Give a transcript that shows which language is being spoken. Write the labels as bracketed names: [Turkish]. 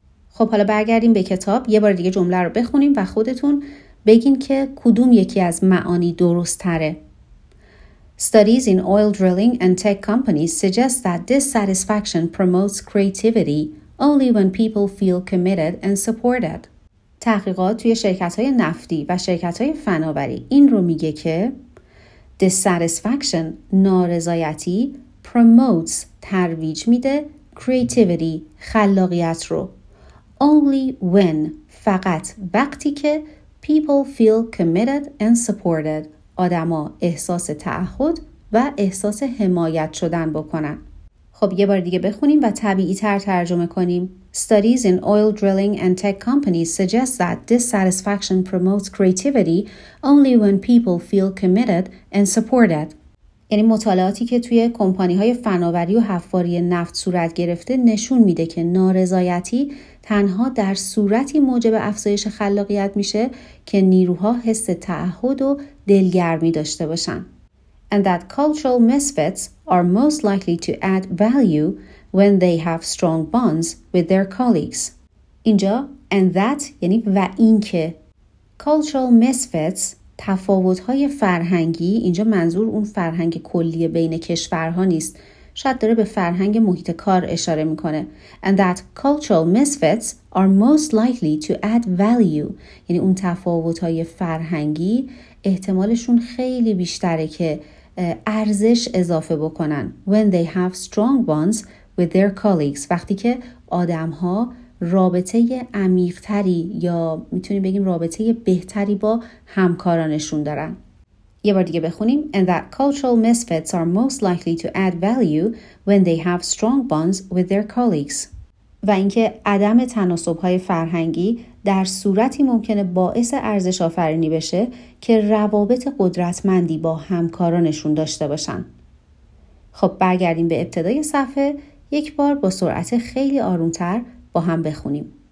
[Persian] خب حالا برگردیم به کتاب. یه بار دیگه جمله رو بخونیم و خودتون بگین که کدوم یکی از معانی درست تره. [English] Studies in oil drilling and tech companies suggest that dissatisfaction promotes creativity only when people feel committed and supported. [Persian] تحقیقات توی شرکت‌های نفتی و شرکت‌های فناوری این رو میگه که [English] dissatisfaction [Persian] نارضایتی [English] promotes [Persian] ترویج میده [English] creativity [Persian] خلاقیت رو [English] only when [Persian] فقط وقتی که [English] people feel committed and supported [Persian] آدما احساس تعهد و احساس حمایت شدن بکنن. خب یه بار دیگه بخونیم و طبیعی تر ترجمه کنیم. [English] Studies in oil drilling and tech companies suggest that dissatisfaction promotes creativity only when people feel committed and supported. [Persian] یعنی مطالعاتی که توی کمپانی‌های فناوری و حفاری نفت صورت گرفته نشون میده که نارضایتی تنها در صورتی موجب افزایش خلاقیت میشه که نیروها حس تعهد و دلگرمی داشته باشن. [English] And that cultural misfits are most likely to add value when they have strong bonds with their colleagues. [Persian] اینجا [English] and that [Persian] یعنی و این که. [English] Cultural misfits [Persian] تفاوت‌های فرهنگی، اینجا منظور اون فرهنگ کلی بین کشورها نیست، شاید داره به فرهنگ محیط کار اشاره می‌کنه. [English] And that cultural misfits are most likely to add value. [Persian] یعنی اون تفاوت‌های فرهنگی احتمالشون خیلی بیشتره که ارزش اضافه بکنن. [English] When they have strong bonds with their colleagues. [Persian] وقتی که آدم‌ها رابطه عمیق‌تری یا میتونیم بگیم رابطه بهتری با همکارانشون دارن. یه بار دیگه بخونیم. [English] And that cultural misfits are most likely to add value when they have strong bonds with their colleagues. [Persian] و اینکه عدم تناسب‌های فرهنگی در صورتی ممکنه باعث ارزش آفرینی بشه که روابط قدرتمندی با همکارانشون داشته باشن. خب برگردیم به ابتدای صفحه، یک بار با سرعت خیلی آروم‌تر با هم بخونیم.